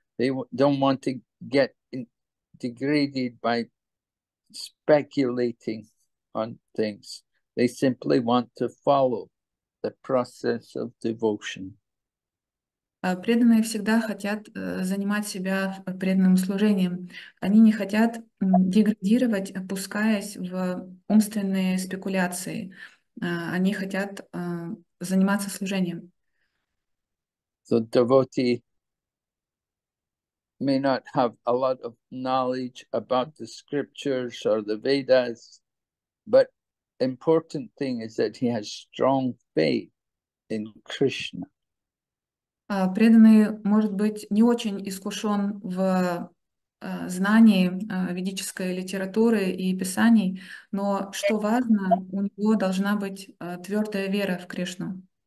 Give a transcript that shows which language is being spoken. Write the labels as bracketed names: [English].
[English] They don't want to get degraded by speculating on things. They simply want to follow the process of devotion. [Russian] Преданные всегда хотят занимать себя преданным служением. Они не хотят деградировать, опускаясь в умственные спекуляции. Они хотят заниматься служением. [English] So devotee may not have a lot of knowledge about the scriptures or the Vedas, but important thing is that he has strong faith in Krishna. [Russian] Преданный может быть не очень искушен в знании ведической литературы и писаний, но что важно, у него должна быть твердая вера в Кришну.